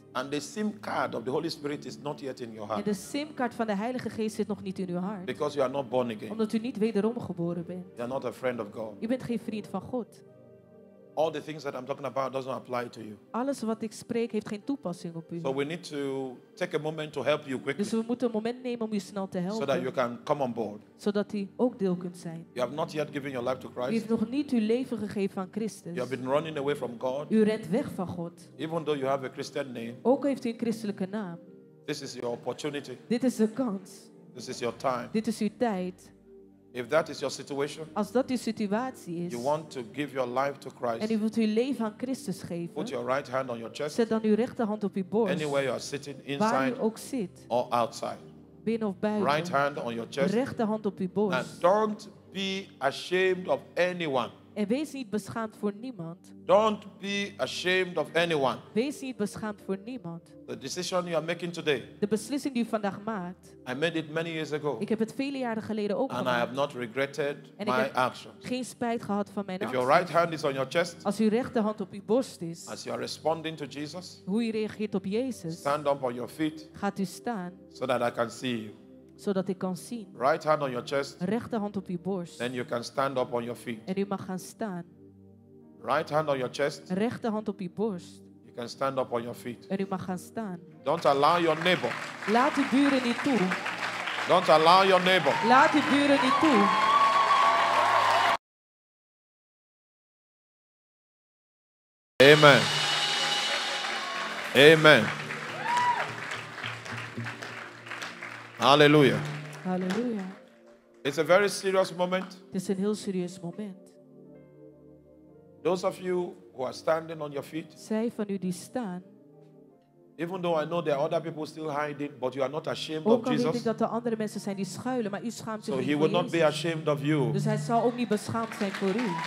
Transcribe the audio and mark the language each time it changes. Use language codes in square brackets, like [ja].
[en] And the SIM card of the Holy Spirit is not yet in your heart. [nl] En de SIM card van de Heilige Geest zit nog niet in uw hart. [en] Because you are not born again. [nl] Omdat u niet wederom geboren bent. [en] You are not a friend of God. [nl] U bent geen vriend van God. [en] All the things that I'm talking about doesn't apply to you. [nl] Alles wat ik spreek heeft geen toepassing op u. [en] So we need to take a moment to help you quickly. [nl] Dus we moeten een moment nemen om u snel te helpen. [en] So that you can come on board. [nl] Zodat u ook deel kunt zijn. [en] You have not yet given your life to Christ. [nl] U heeft nog niet uw leven gegeven aan Christus. [en] You have been running away from God. [nl] U rent weg van God. [en] Even though you have a Christian name. [nl] Ook heeft u een christelijke naam. [en] This is your opportunity. [nl] Dit is de kans. [en] This is your time. [nl] Dit is uw tijd. [en] If that is your situation, [nl] als dat uw situatie is, [en] you want to give your life to Christ, [nl] en u wilt uw leven aan Christus geven, [en] put your right hand on your chest, [nl] zet dan uw rechterhand op uw borst, [en] anywhere you are sitting, inside [nl] waar u ook zit, [en] or outside, [nl] binnen of buiten, [en] right hand on your chest, [nl] rechterhand op uw borst. [en] And don't be ashamed of anyone. [nl] En wees niet beschaamd voor niemand. [en] Don't be ashamed of anyone. [nl] Wees niet beschaamd voor niemand. [en] The decision you are making today. [nl] De beslissing die u vandaag maakt. [en] I made it many years ago. [nl] Ik heb het vele jaren geleden ook [en] and [nl] gemaakt. [en] I have not regretted my actions. [nl] En ik heb geen spijt gehad van mijn [en] if actions. Your right hand is on your chest. [nl] Als uw rechterhand op uw borst is. [en] As you are responding to Jesus. [nl] Hoe u reageert op Jezus. [en] Stand up on your feet. [nl] Gaat u staan. [en] So that I can see you. [nl] Zodat ik kan zien. [en] Right hand on your chest. [nl] Rechterhand op uw borst. [en] Then you can stand up on your feet. [nl] En u mag gaan staan. [en] Right hand on your chest. [nl] Rechterhand op uw borst. [en] You can stand up on your feet. [nl] En u mag gaan staan. [en] Don't allow your neighbor. [nl] Laat uw buren niet toe. [en] Don't allow your neighbor. [nl] Laat uw buren niet toe. [en] Amen. Amen. Hallelujah. Hallelujah. It's a very serious moment. [nl] Het is een heel serieus moment. [en] Those of you who are standing on your feet. [nl] Zij van u die staan. [en] Even though I know there are other people still hiding, but you are not ashamed of Jesus. [nl] Ook al weet ik dat er andere mensen zijn die schuilen, maar u schaamt zich niet. [en] So he will not be ashamed of you. [nl] Dus hij zal ook niet beschaamd zijn voor u.